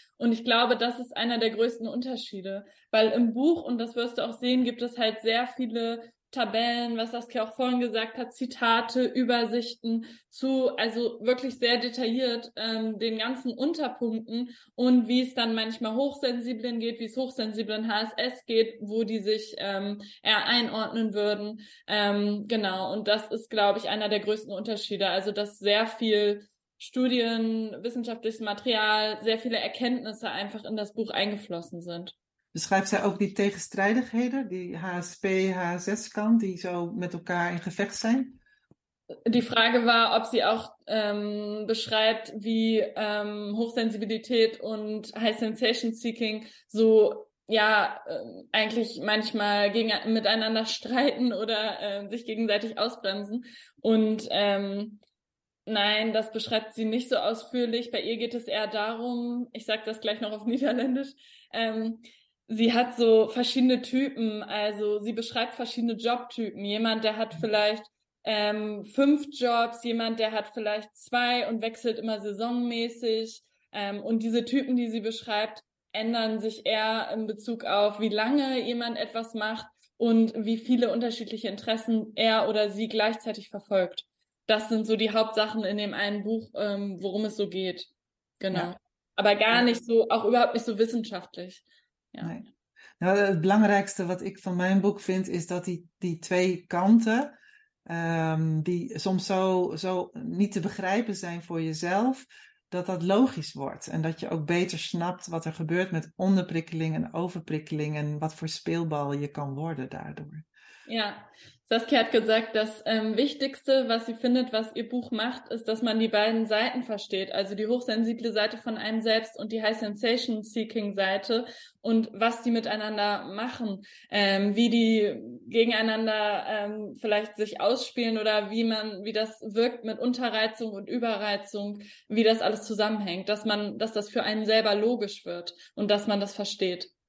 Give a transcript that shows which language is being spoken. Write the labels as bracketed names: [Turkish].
[German] Und ich glaube, das ist einer der größten Unterschiede. Weil im Buch, und das wirst du auch sehen, gibt es halt sehr viele Tabellen, was Saskia auch vorhin gesagt hat, Zitate, Übersichten zu, also wirklich sehr detailliert den ganzen Unterpunkten und wie es dann manchmal Hochsensiblen geht, wie es Hochsensiblen HSS geht, wo die sich eher einordnen würden. Genau, und das ist, glaube ich, einer der größten Unterschiede. Also, dass sehr viel Studien, wissenschaftliches Material, sehr viele Erkenntnisse einfach in das Buch eingeflossen sind. [Dutch] Beschrijft zij ook die tegenstrijdigheden, die HSP, HSS-kant, die zo met elkaar in gevecht zijn? [German] Die Frage war, ob sie auch beschreibt, wie Hochsensibilität und High Sensation Seeking so ja eigentlich manchmal miteinander streiten oder sich gegenseitig ausbremsen. Und Nein, das beschreibt sie nicht so ausführlich. Bei ihr geht es eher darum, ich sage das gleich noch auf Niederländisch, sie hat so verschiedene Typen, also sie beschreibt verschiedene Jobtypen. Jemand, der hat vielleicht 5 Jobs, jemand, der hat vielleicht 2 und wechselt immer saisonmäßig. Und diese Typen, die sie beschreibt, ändern sich eher in Bezug auf, wie lange jemand etwas macht und wie viele unterschiedliche Interessen er oder sie gleichzeitig verfolgt. Das sind so die Hauptsachen in dem einen Buch, worum es so geht. Genau. Ja. Aber gar nicht so, auch überhaupt nicht so wissenschaftlich. Ja. Nein. [Dutch] Das Belangrijkste wat ik van mijn boek vind, is dat die twee kanten, die soms zo niet te begrijpen zijn voor jezelf, dat dat logisch wordt. En dat je ook beter snapt wat er gebeurt met onderprikkeling en overprikkeling en wat voor speelbal je kan worden daardoor. [German] Ja, Saskia hat gesagt, das Wichtigste, was sie findet, was ihr Buch macht, ist, dass man die beiden Seiten versteht. Also die hochsensible Seite von einem selbst und die High Sensation Seeking Seite und was die miteinander machen, wie die gegeneinander vielleicht sich ausspielen oder wie das wirkt mit Unterreizung und Überreizung, wie das alles zusammenhängt, dass das für einen selber logisch wird und dass man das versteht.